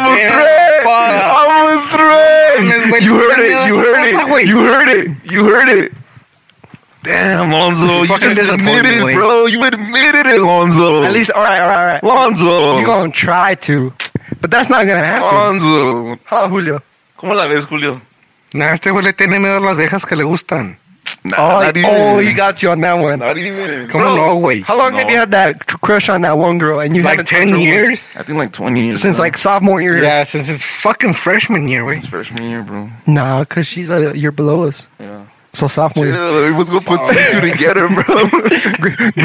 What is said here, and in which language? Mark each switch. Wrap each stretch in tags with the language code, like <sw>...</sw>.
<en>I'm a threat. You heard it. Damn, Lonzo. You just admitted it, bro. You admitted it, Lonzo. At least, all right. Lonzo. You're going to try to, but that's not going to happen. Lonzo.</en> <es>Hola, Julio. ¿Cómo la ves, Julio? Nah, este güey le tiene miedo a las viejas que le gustan.</es> <en>Nah, oh, not even. Oh, he got you on that one. Not even. Come on, wait. How long have you had that crush on that one girl? And you like 10 years? I think like 20 years since like sophomore year. Yeah, since it's fucking freshman year. Wait, since freshman year, bro. Nah, cause she's a year below us. Yeah. So sophomore. Chill. We was gonna put 2-2 together, bro.</en>